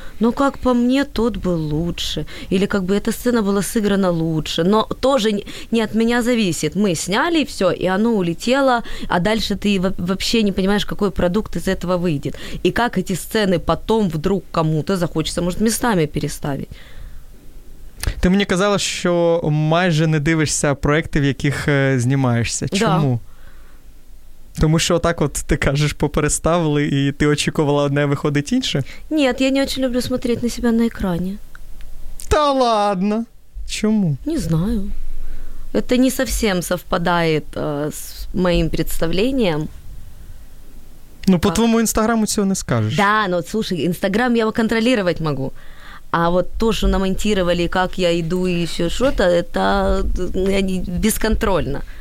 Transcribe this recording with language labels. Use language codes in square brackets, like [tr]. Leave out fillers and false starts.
[ru] Но как по мне, тот был лучше. Или как бы эта сцена была сыграна лучше. Но тоже не от меня зависит. Мы сняли все, и оно улетело, а дальше ты вообще не понимаешь, какой продукт из этого выйдет. И как эти сцены потом вдруг кому-то захочется, может, местами переставить. [uk] Ти мені казала, що майже не дивишся проєкти, в яких знімаєшся. Чому? [ru] Да. [uk] Тому що отак от ти кажеш, попереставили, і ти очікувала одне, виходить інше? Ні, я не дуже люблю смотреть на себе на екрані. Та ладно! Чому? [ru] Не знаю. Это не совсем совпадает с моим представлением. Ну, по твоему Инстаграму цього не скажешь. Да, но слушай, Инстаграм я его контролировать могу. А вот то, что намонтировали, как я иду и еще что-то, это бесконтрольно.